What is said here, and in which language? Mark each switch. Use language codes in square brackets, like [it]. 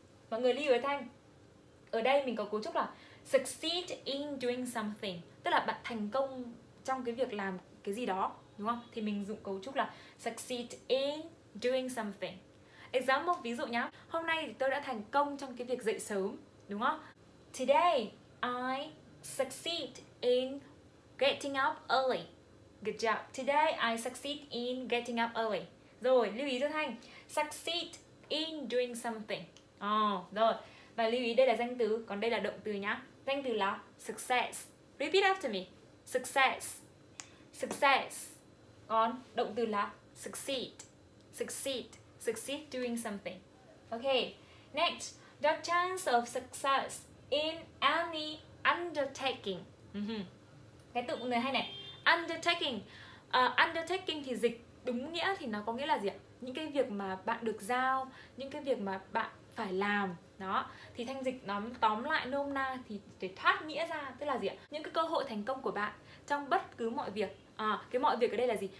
[vi] Mọi người lưu ý Thanh, ở đây mình có cấu trúc là [en] succeed in doing something, [vi] tức là bạn thành công trong cái việc làm cái gì đó, đúng không? Thì mình dùng cấu trúc là [en] succeed in doing something. [vi] Example, ví dụ nhá, hôm nay thì tôi đã thành công trong cái việc dậy sớm, đúng không? [en] Today I succeed in getting up early. Good job. Today I succeed in getting up early. [vi] Rồi, lưu ý cho Thanh, [en] succeed in doing something. [vi] Rồi. Và lưu ý đây là danh từ, còn đây là động từ nhá. Danh từ là [en] success. Repeat after me. Success. Success. [vi] Còn động từ là succeed. Succeed. [en] Succeed doing something. Okay. Next, the chance of success in any undertaking. [vi] Cái từ mọi người hay này, undertaking. Undertaking thì dịch đúng nghĩa thì nó có nghĩa là gì ạ? Những cái việc mà bạn được giao, những cái việc mà bạn phải làm đó. Thì Thanh dịch nó tóm lại nôm na thì để thoát nghĩa ra, tức là gì ạ? Những cái cơ hội thành công của bạn trong bất cứ mọi việc. Cái mọi việc ở đây là gì?